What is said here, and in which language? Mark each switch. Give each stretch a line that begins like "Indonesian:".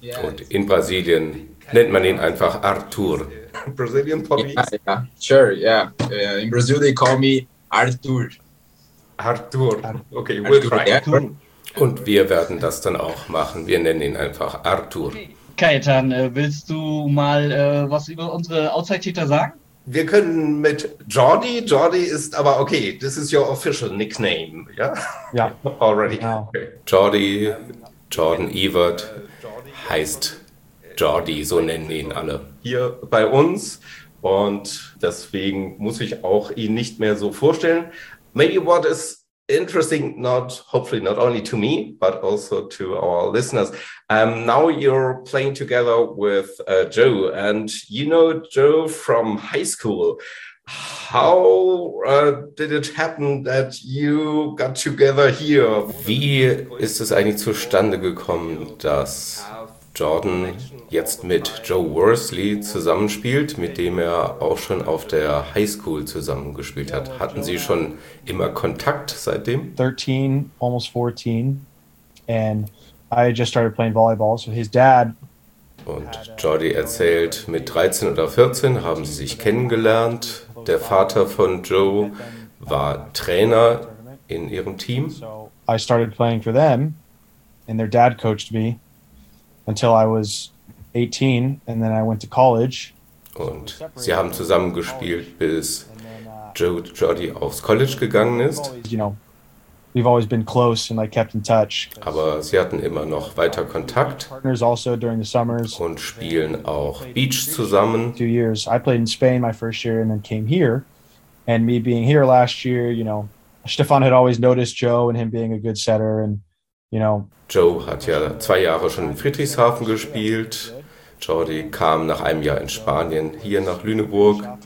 German: Und in Brasilien nennt man ihn einfach Arthur.
English: Brazilian police. Yeah. In Brazil they call me Arthur. Arthur. Okay, we'll try. Arthur. Arthur.
German: Und wir werden das dann auch machen. Wir nennen ihn einfach Arthur. Kaitan, willst du mal was über unsere Outside-Hitter sagen? Wir können mit Jordi. Jordi ist aber okay.
English: This is your official nickname. Yeah? Yeah. Already. Yeah. Okay.
German: Jordi, Jordan Ewert heißt Jordi, so nennen ihn alle. Hier bei uns und deswegen muss ich auch ihn nicht mehr so vorstellen.
English: Maybe what is interesting, not hopefully not only to me, but also to our listeners. Now you're playing together with Joe and you know Joe from high school. How did it happen that you got together here?
German: Wie ist es eigentlich zustande gekommen, dass Jordan jetzt mit Joe Worsley zusammenspielt, mit dem er auch schon auf der Highschool zusammengespielt hat? Hatten Sie schon immer Kontakt seitdem?
English: 13, almost 14. And I just started playing volleyball, so his dad.
German: Und Jordi erzählt, mit 13 oder 14 haben sie sich kennengelernt. Der Vater von Joe war Trainer in ihrem Team.
English: I started playing for them and their dad coached me. Until I was 18 and then I went to college.
German: Und sie haben zusammen gespielt, bis Joe Jordi aufs College gegangen ist.
English: You know, we've always been close and I kept in touch.
German: Aber sie hatten immer noch weiter Kontakt.
English: Partners also during the summers.
German: Und spielen auch Beach zusammen.
English: 2 years. I played in Spain my first year and then came here. And me being here last year, you know, Stefan had always noticed Joe and him being a good setter and, you know,
German: Joe hat ja 2 Jahre schon in Friedrichshafen gespielt. Jordi kam nach einem Jahr in Spanien hier nach Lüneburg.